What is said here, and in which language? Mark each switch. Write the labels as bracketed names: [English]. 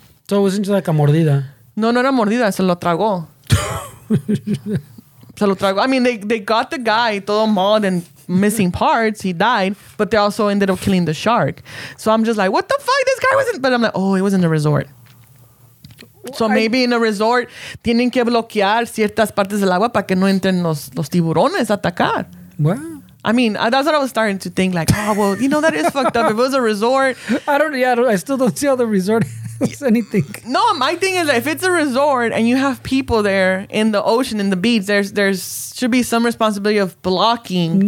[English] So it wasn't just like a mordida. [Spanish] No era mordida, se lo tragó. Se lo tragó. [English] I mean they got the guy todo mauled and missing parts, he died, but they also ended up killing the shark. So I'm just like, what the fuck? This guy wasn't, but I'm like, oh, it was in a resort. So maybe in a resort, [Spanish] tienen que bloquear ciertas partes del agua para que no entren los tiburones a atacar. [English] Well, I mean, that's what I was starting to think. Like, oh, well, you know, that is fucked up. If it was a resort. I still don't see how the resort has anything. No, my thing is that if it's a resort and you have people there in the ocean, in the beach, there's should be some responsibility of blocking.